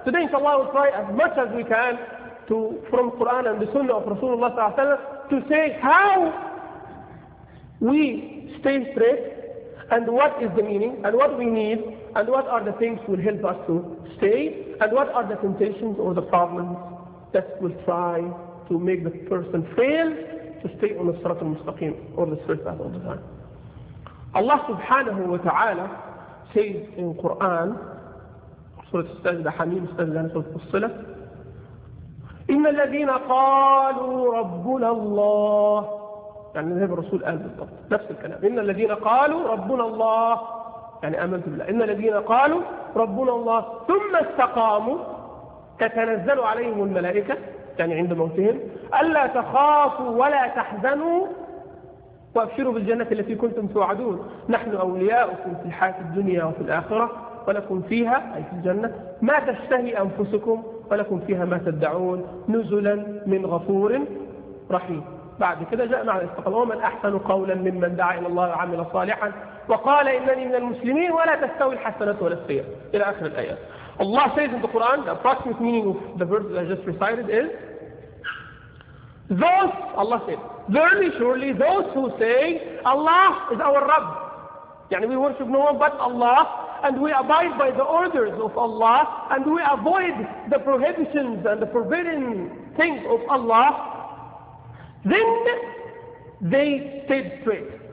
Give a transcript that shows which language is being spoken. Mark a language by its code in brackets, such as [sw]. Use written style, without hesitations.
[en] Today, inshallah, we'll try as much as we can to, from Quran and the Sunnah of Rasulullah sallallahu alayhi wa sallam, to say how we stay straight, and what is the meaning, and what we need, and what are the things will help us to stay, and what are the temptations or the problems that will try to make the person fail to stay on the Sirat al-Mustaqim, or the straight path all the time. Allah subhanahu wa ta'ala says in Quran, Surah Al-Sajda Hamim, Surah Al-Fussila, [ar] إن الذين قالوا ربنا الله يعني نهى الرسول قال بالضبط نفس الكلام إن الذين قالوا ربنا الله يعني آمنت بالله إن الذين قالوا ربنا الله ثم استقاموا تتنزل عليهم الملائكة يعني عند موتهم ألا تخافوا ولا تحزنوا وأبشروا بالجنة التي كنتم توعدون نحن أولياؤكم في الحياة الدنيا وفي الآخرة ولكم فيها أي في الجنة ما تشتهي أنفسكم ولكم فيها ما تدعون نزلا من غفور رحيم بعد كده جاء معنى الاستقامة ومن أحسن قولا ممن دعا إلى الله وعمل صالحا وقال إنني من المسلمين ولا تستوي الحسنة ولا السيئة إلى آخر الآيات. [en] الله says in the Quran, the approximate meaning of the verse that I just recited is those, Allah said, verily surely those who say Allah is our Rabb, يعني we worship no one but Allah, and we abide by the orders of Allah, and we avoid the prohibitions and the forbidden things of Allah, then they stay straight.